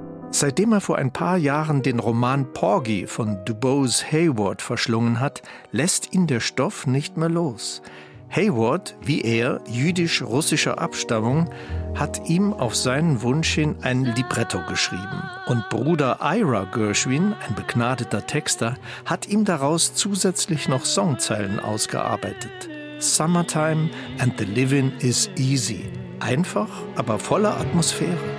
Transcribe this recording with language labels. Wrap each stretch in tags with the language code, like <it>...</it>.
<de>Seitdem er vor ein paar Jahren den Roman Porgy von Dubose Hayward verschlungen hat, lässt ihn der Stoff nicht mehr los. Hayward, wie er, jüdisch-russischer Abstammung, hat ihm auf seinen Wunsch hin ein Libretto geschrieben. Und Bruder Ira Gershwin, ein begnadeter Texter, hat ihm daraus zusätzlich noch Songzeilen ausgearbeitet.</de> <en>Summertime and the living is easy.</en> <de>Einfach, aber voller Atmosphäre.</de>